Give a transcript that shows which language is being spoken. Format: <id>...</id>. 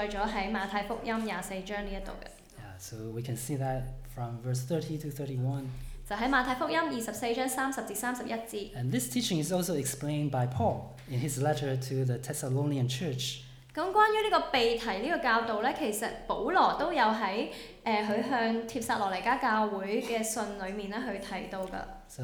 <zh>而这件这么特别的事情,你可以说是一个神迹般的事情,就是将要在主耶稣基督回来之前发生,也都是记载在马太福音24章这里。</zh> <en>So we can see that from verse 30 to 31.</en> <zh>就在马太福音24章30至31节。</zh> <en>And this teaching is also explained by Paul in his letter to the Thessalonian church.</en> <zh>关于这个被提这个教导,其实保罗都有在他向帖撒罗尼加教会的信里面提到的。</zh> <en>So</en>